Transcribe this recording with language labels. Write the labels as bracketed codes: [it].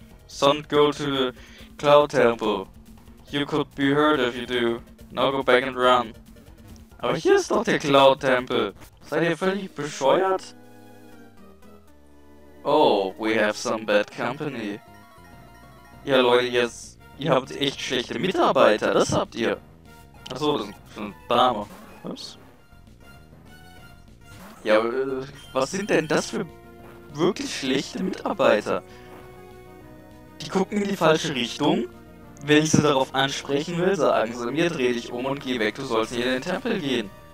[en] Son't go to the Cloud Temple. You could be hurt if you do. Now go back and run. [de] Aber hier ist doch der Cloud Temple. Seid ihr völlig bescheuert? [en] Oh, we have some bad company. [de] Ja Leute, ihr habt echt schlechte Mitarbeiter, das habt ihr. Achso, das ist ein Dame. Was? Ja, was sind denn das für wirklich schlechte Mitarbeiter? Die gucken in die falsche Richtung. Wenn ich sie darauf ansprechen will, sagen sie mir, dreh dich um und geh weg, du sollst nicht in den Tempel gehen.